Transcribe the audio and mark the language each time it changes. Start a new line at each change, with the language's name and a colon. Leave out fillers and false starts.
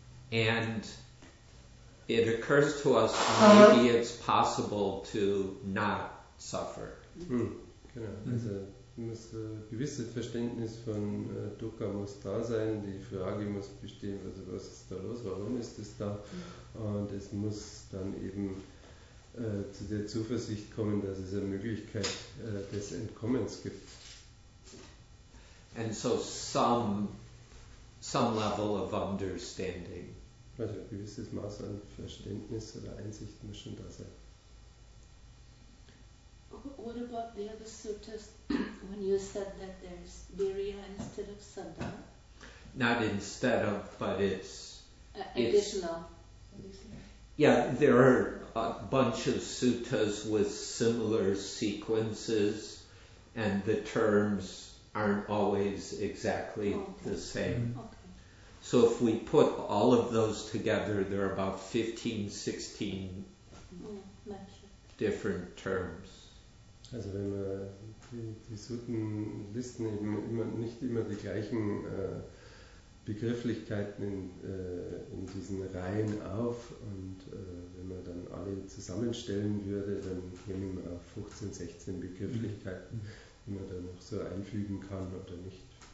English: And it occurs to us maybe it's possible to not suffer.
German: Also muss ein gewisses Verständnis von dukkha muss da sein, die Frage muss bestehen, also was ist da los, warum ist das da? Und es muss dann eben zu der Zuversicht kommen, dass es eine Möglichkeit des Entkommens gibt.
English: And so some level of understanding.
German: Also ein gewisses Maß an Verständnis oder Einsicht muss schon da sein.
English: What about the other suttas when you said that there's virya instead of sadha? Not instead of, but it's additional. Yeah, there are a bunch of suttas with similar sequences, and the terms aren't always exactly the same. Okay. So if we put all of those together, there are about 15, 16 different terms.
German: Also wenn man die Suttenlisten eben nicht immer die gleichen Begrifflichkeiten in diesen Reihen auf und wenn man dann alle zusammenstellen würde, dann nehmen wir auch 15, 16 Begrifflichkeiten, die man dann noch so einfügen kann oder nicht.